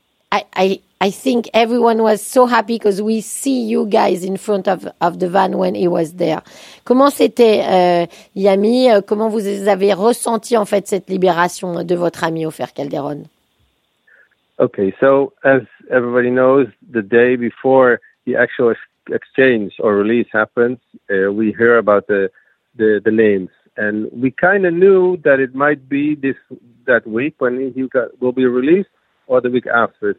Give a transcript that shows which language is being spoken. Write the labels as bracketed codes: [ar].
[en] I think everyone was so happy because we see you guys in front of the van when he was there. [fr] Comment c'était, Yami? Comment vous avez ressenti, en fait, cette libération de votre ami Ofer Calderon? [en] Okay, so as everybody knows, the day before the actual exchange or release happens, we hear about the names, and we kind of knew that it might be that week when will be released, or the week after.